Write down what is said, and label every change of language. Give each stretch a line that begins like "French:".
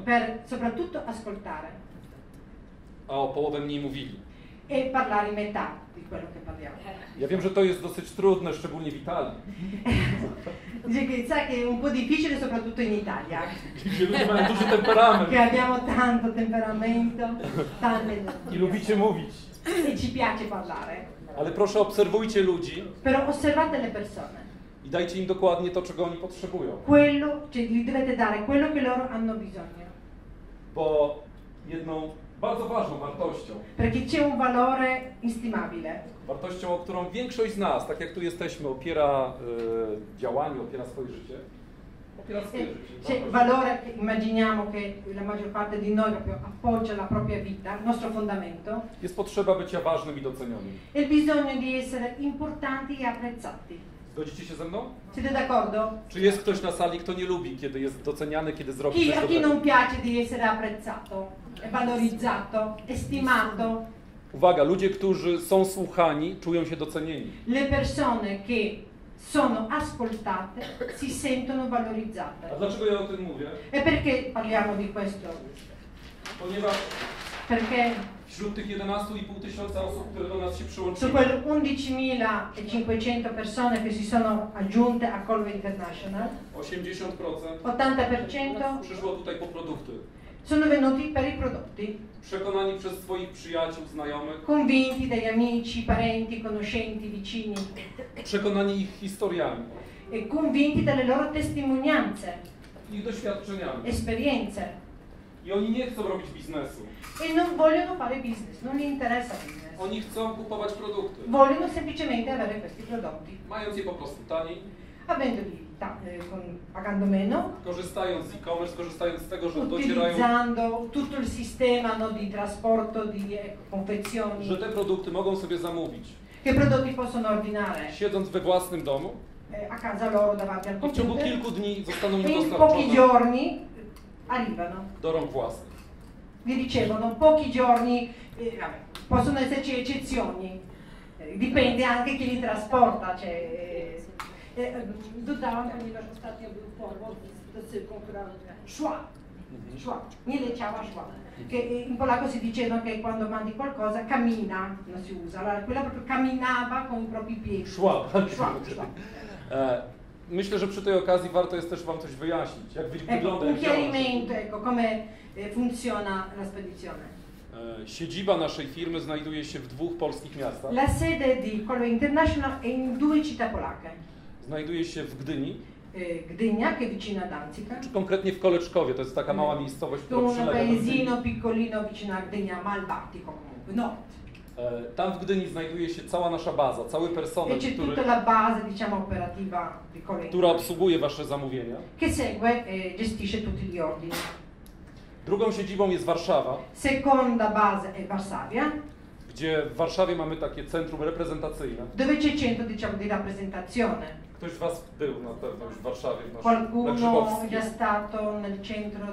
Italian: Per soprattutto ascoltare.
Polish: A o połowę mniej mówili.
Italian: E parlare in metà di quello che parliamo.
Polish: Ja wiem, że to jest dosyć trudne, szczególnie w Italii. Dzięki,
Italian: sai che è un po' difficile soprattutto in Italia.
Polish: Gdzie ludzie mają duży temperament.
Italian: Che abbiamo tanto temperamento.
Polish: I lubicie mówić.
Italian: E ci piace parlare.
Polish: Ale proszę, obserwujcie ludzi.
Italian: Però osservate le persone.
Polish: I dajcie im dokładnie to, czego oni potrzebują.
Italian: Quello, cioè gli dovete dare quello che loro hanno bisogno.
Polish: Bo jedną bardzo ważną wartością.
Italian: Perché c'è un valore instimabile.
Polish: Wartością, o którą większość z nas, tak jak tu jesteśmy, opiera działanie, opiera swoje życie. Opiera swoje życie.
Italian: C'è valore che immaginiamo che la maggior parte di noi appoggia la propria vita, il nostro fondamento.
Polish: Jest potrzeba bycia ważnym i docenionym.
Italian: E bisogno di essere importanti e apprezzati.
Polish: Zgodzicie się ze mną?
Italian: Siete d'accordo?
Polish: Czy jest ktoś na sali, kto nie lubi, kiedy jest doceniany, kiedy zrobi coś dobrego?
Italian: A chi non piace di essere apprezzato, valorizzato, estimato?
Polish: Uwaga, ludzie, którzy są słuchani, czują się docenieni.
Italian: Le persone che sono ascoltate si sentono valorizzate.
Polish: A dlaczego ja o tym mówię?
Italian: E perché parliamo di questo?
Polish: Ponieważ
Italian: perché
Polish: wśród tych 11,5 tysiąca osób, które do nas się przyłączyły.
Italian: Su quel 11.500 persone che si sono aggiunte a Colve International.
Polish: 80%.
Italian: 80%
Polish: przyszło tutaj po produkty.
Italian: Sono venuti per i prodotti.
Polish: Przekonani przez swoich przyjaciół, znajomych.
Italian: Convinti dagli amici, parenti, conoscenti, vicini.
Polish: Przekonani ich historiami.
Italian: E convinti dalle loro testimonianze.
Polish: Ich doświadczeniami.
Italian: Esperienze.
Polish: I oni nie chcą robić biznesu.
Italian: E non vogliono fare business, non li interessa business.
Polish: Oni chcą kupować produkty.
Italian: Vogliono semplicemente avere questi prodotti.
Polish: Mając je po prostu taniej.
Italian: Avendoli pagando meno.
Polish: Korzystając z e-commerce, korzystając z tego, że
Italian: utilizzando tutto il sistema, no, di trasporto, di confezioni.
Polish: Że te produkty mogą sobie zamówić.
Italian: Che prodotti possono ordinare.
Polish: Siedząc we własnym domu.
Italian: A casa loro davanti al computer.
Polish: W ciągu kilku dni zostaną im dostarczone.
Italian: In pochi giorni arrivano.
Polish: Do rąk własnych.
Italian: Vi dicevano, pochi giorni, possono esserci eccezioni, dipende anche chi li trasporta, cioè...
Polish: Dodałam, ponieważ ostatnio był porwot do cyrką, która... Szła, szła, nie leciała, szła.
Italian: In polaco si dice, no, che quando mandi qualcosa, cammina, non si usa, allora quella proprio camminava con i propri piedi.
Polish: Szła, szła, szła. Myślę, że przy tej okazji warto jest też wam coś wyjaśnić, jak wygląda.
Italian: Chiarimento, ecco, come funziona la spedizione.
Polish: Siedziba naszej firmy znajduje się w dwóch polskich miastach.
Italian: La sede di Colle International è in due città polacche.
Polish: Znajduje się w Gdyni.
Italian: Gdynia, che vicino a Danzica.
Polish: Czy konkretnie w Koleczkowie, to jest taka mała miejscowość, tu która przylega.
Italian: Un paesino piccolino vicino a Gdynia, Malbattico, nord.
Polish: Tam w Gdyni znajduje się cała nasza baza, cały personel, który,
Italian: tutta la base, diciamo, operativa di Colle,
Polish: która obsługuje wasze zamówienia.
Italian: Che segue, gestisce tutti gli ordini.
Polish: Drugą siedzibą jest Warszawa.
Italian: Seconda base è Varsavia.
Polish: Gdzie w Warszawie mamy takie centrum reprezentacyjne.
Italian: Dove c'è centro, diciamo, di rappresentazione.
Polish: Ktoś z was był na pewno już w Warszawie, w
Italian: qualcuno già stato nel centro di